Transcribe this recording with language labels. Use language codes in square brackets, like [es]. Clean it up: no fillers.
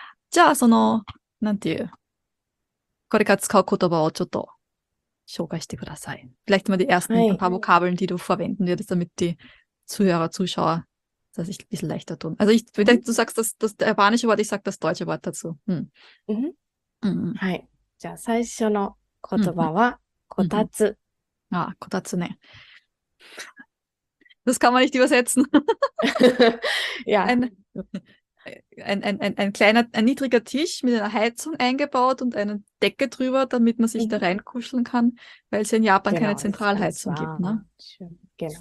[ja] じゃあ、その、なんていう。これから使う言葉をちょっと紹介してください。 [de] Vielleicht mal die ersten [ja] Hi. [de] paar Vokabeln, die du verwenden würdest, damit die Zuhörer, Zuschauer das sich ein bisschen leichter tun. Also, vielleicht du sagst das japanische Wort, ich sag das deutsche Wort dazu. [ja] Hi. じゃあ最初の言葉はこたつ。 Ah, kotatsu ne. [de] Das kann man nicht übersetzen. Ja. Ein niedriger Tisch mit einer Heizung eingebaut und eine Decke drüber, damit man sich da reinkuscheln kann, weil es in Japan keine Genau, ist ganz Zentralheizung gibt, ne? warm. Schön. Genau.